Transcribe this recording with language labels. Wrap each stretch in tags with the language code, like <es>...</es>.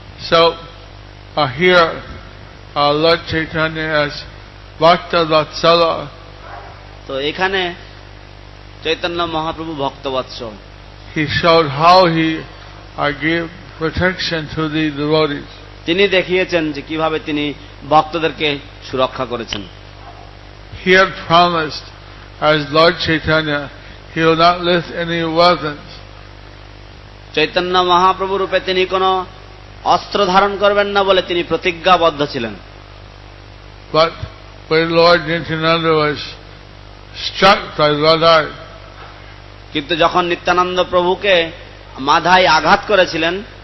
<en>So here Lord Chaitanya has Bhaktavatsala.</en> <bn>তো এখানে Chaitanya Mahaprabhu ভক্তবৎসল,</bn> <en>he showed how he gave protection to the devotees.</en> <bn>তিনি দেখিয়েছেন যে কিভাবে তিনি ভক্তদেরকে সুরক্ষা করেছেন।</bn> <en>He had promised as Lord Chaitanya he will not lift any weapons.</en> <bn>Chaitanya Mahaprabhu রূপে তিনি কোন অস্ত্র ধারণ করবেন না বলে তিনি প্রতিজ্ঞাবদ্ধ ছিলেন।</bn> <en>But when Lord Nityananda was struck by Radhai,</en> <bn>কিন্তু যখন নিত্যানন্দ প্রভুকে মাধাই আঘাত করেছিলেন,</bn>